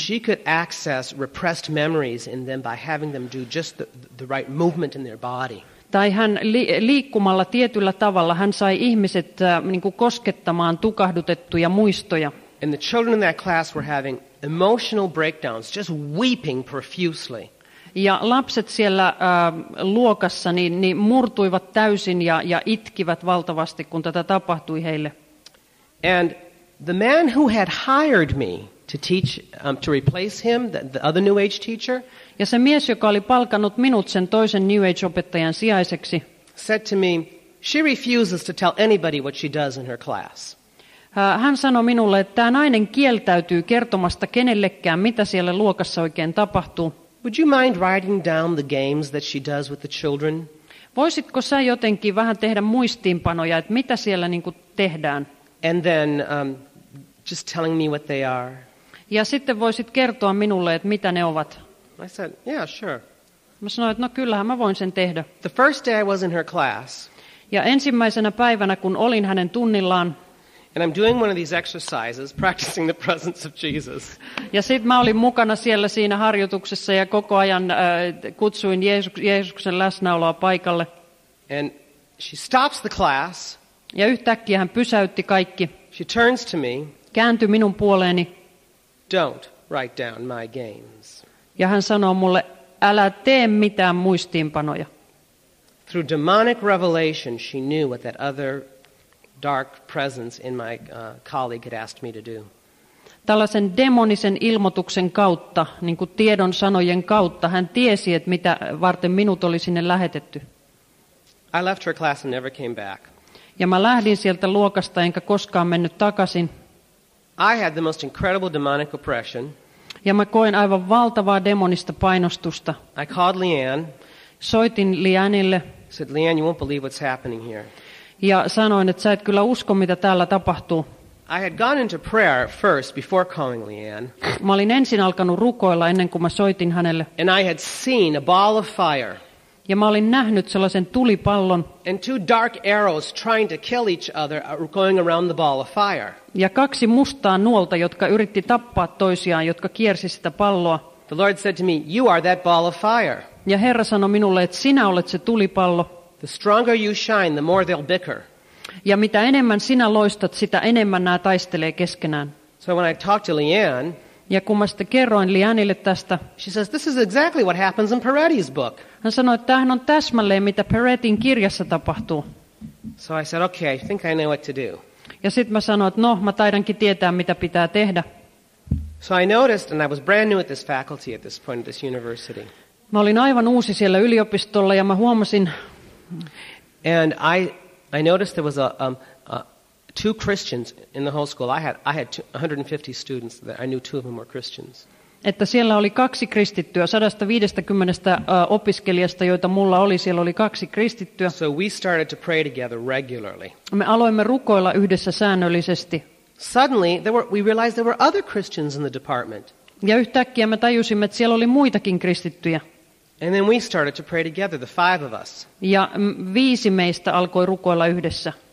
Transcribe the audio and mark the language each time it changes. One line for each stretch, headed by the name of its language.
English: She could access repressed memories in them by having them do just the right movement in their body.
Finnish: Tai hän liikkumalla tietyllä tavalla hän sai ihmiset koskettamaan tukahdutettuja muistoja.
English: And the children in that class were having emotional breakdowns, just weeping profusely.
Finnish: Ja lapset siellä luokassa niin murtuivat täysin ja itkivät valtavasti, kun tätä tapahtui heille.
English: And the man who had hired me to replace him, the other New Age teacher.
Finnish: Ja se mies, joka oli palkannut minut sen toisen New Age -opettajan sijaiseksi,
English: said to me, she refuses to tell anybody what she does in her class.
Finnish: Hän sanoi minulle, että tämä nainen kieltäytyy kertomasta kenellekään, mitä siellä luokassa oikein tapahtuu.
English: Would you mind writing down the games that she does with the children?
Finnish: Voisitko sä jotenkin vähän tehdä muistiinpanoja, että mitä siellä niin kuin tehdään?
English: And then just telling me what they are.
Finnish: Ja sitten voisit kertoa minulle, että mitä ne ovat.
English: I said, yeah, sure.
Finnish: Mä sanoin, että no kyllähän mä voin sen tehdä.
English: The first day I was in her class.
Finnish: Ja ensimmäisenä päivänä, kun olin hänen tunnillaan.
English: And I'm doing one of these exercises, practicing the presence of Jesus.
Finnish: Ja sit mä olin mukana siellä siinä harjoituksessa ja koko ajan kutsuin Jeesuksen läsnäoloa paikalle.
English: And she stops the class.
Finnish: Ja yhtäkkiä hän pysäytti kaikki.
English: She turns to me.
Finnish: Kääntyi minun puoleeni.
English: Don't write down my games.
Finnish: Ja hän sanoo mulle, älä tee mitään muistiinpanoja.
English: Through demonic revelation, she knew what that other dark presence in my colleague had asked me to do.
Finnish: Tällaisen demonisen ilmoituksen kautta, niin kuin tiedon sanojen kautta, hän tiesi, että mitä varten minut oli sinne lähetetty.
English: I left her class and never came back.
Finnish: Ja mä lähdin sieltä luokasta enkä koskaan mennyt takaisin.
English: I had the most incredible demonic oppression.
Finnish: Ja mä koin aivan valtavaa demonista painostusta.
English: I called Leanne.
Finnish: Soitin Leannelle.
English: Said, Leanne, you won't believe what's happening here.
Finnish: Ja sanoin, että sä et kyllä usko, mitä täällä tapahtuu.
English: I had gone into prayer first before calling Leanne.
Finnish: Mä olin ensin alkanut rukoilla ennen kuin mä soitin hänelle.
English: And I had seen a ball of fire.
Finnish: Ja mä olin nähnyt sellaisen tulipallon.
English: And two dark arrows trying to kill each other going around the ball of fire.
Finnish: Ja kaksi mustaa nuolta, jotka yritti tappaa toisiaan, jotka kiersi sitä palloa.
English: The Lord said to me, you are that ball of fire.
Finnish: Ja Herra sanoi minulle, että sinä olet se tulipallo.
English: The stronger you shine, the more they'll bicker.
Finnish: Ja mitä enemmän sinä loistat, sitä enemmän nämä taistelee keskenään.
English: So when I talked to Leanne,
Finnish: ja kun mä sitten kerroin Leannelle tästä,
English: she says, this is exactly what happens in Peretti's book.
Finnish: Hän sanoi, että tämähän on täsmälleen, mitä Peretin kirjassa tapahtuu.
English: So I said, okay, I think I know what to do.
Finnish: Ja sitten mä sanoin, että no, mä taidankin tietää, mitä pitää tehdä.
English: So I noticed, and I was brand new at this faculty at this point, this university.
Finnish: Mä olin aivan uusi siellä yliopistolla, ja mä huomasin,
English: and I noticed there was two Christians in the whole school. I had 150 students that I knew, two of them were Christians.
Finnish: Että siellä oli kaksi kristittyä 150 opiskelijasta, joita mulla oli, siellä oli kaksi kristittyä.
English: So we started to pray together regularly.
Finnish: Me aloimme rukoilla yhdessä säännöllisesti.
English: Suddenly we realized there were other Christians in the department.
Finnish: Ja yhtäkkiä me tajusimme, että siellä oli muitakin kristittyjä.
English: And then we started to pray together, the five of us.
Finnish: Ja viisi meistä alkoi rukoilla yhdessä.